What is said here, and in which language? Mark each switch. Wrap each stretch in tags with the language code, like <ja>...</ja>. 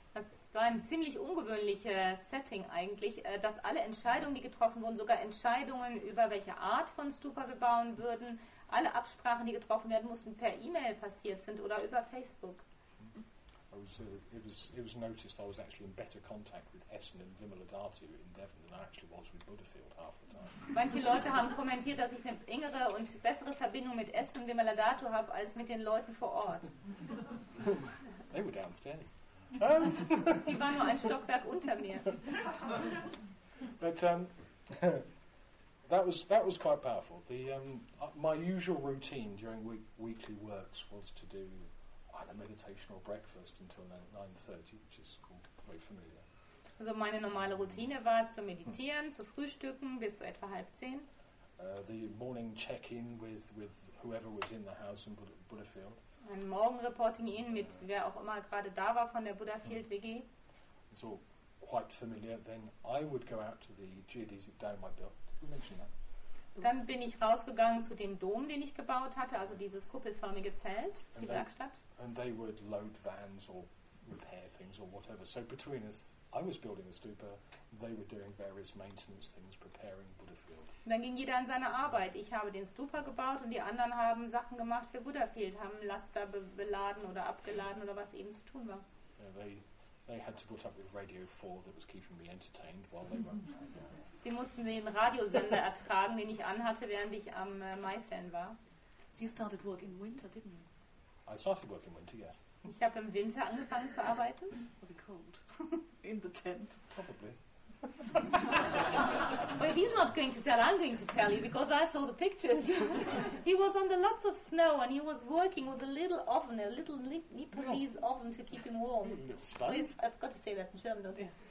<de>Das war ein ziemlich ungewöhnliches Setting eigentlich, dass alle Entscheidungen, die getroffen wurden, sogar Entscheidungen über welche Art von Stupa wir bauen würden, alle Absprachen, die getroffen werden mussten, per E-Mail passiert sind oder über Facebook.</de> <en>It was noticed I was actually in better contact with Essen and Vimaladati in Devon than I actually was with Butterfield half the time.</en> <de>Manche Leute haben kommentiert, dass ich eine engere und bessere Verbindung mit Essen und Vimaladati habe als mit den Leuten vor Ort.</de> <en>They were downstairs.</en> <de>Die waren nur ein Stockwerk unter mir.</de> <en>But that was quite powerful. The my usual routine during weekly works was to do either meditation or breakfast until 9:30, which is very familiar.</en> <de>Also meine normale Routine war zu meditieren, zu frühstücken bis zu etwa 9:30.</de> <en>The morning check-in with whoever was in the house in Butterfield.</en> <de>Ein Morgenreporting-In mit wer auch immer gerade da war von der Butterfield WG.</de> <en>It's all quite familiar. Then I would go out to the geodesic dome I built. Did we mention that?</en> <de>Dann bin ich rausgegangen zu dem Dom, den ich gebaut hatte, also dieses kuppelförmige Zelt, die Werkstatt.</de> <en>And they would load vans or repair things or whatever. So between us, I was building a stupa, they were doing various maintenance things, preparing Butterfield.</en> <de>Dann ging jeder an seine Arbeit. Ich habe den Stupa gebaut und die anderen haben Sachen gemacht für Butterfield, haben Laster beladen oder abgeladen oder was eben zu tun war.</de> <en>Yeah, they had to put up with Radio 4 that was keeping me entertained while they were.</en> <de>Sie mussten den Radiosender ertragen, den ich anhatte, während ich am Maisen war.</de> <en>So you started work in winter, didn't you? I started work in winter, yes.</en> <de>Ich habe im Winter angefangen zu arbeiten.</de> <en>Was it cold? In the tent? Probably. Well, he's not going to tell, I'm going to tell you, because I saw the pictures. He was under lots of snow and he was working with a little oven, a little Nepalese oven to keep him warm. I've got to say that in German, don't you?</en>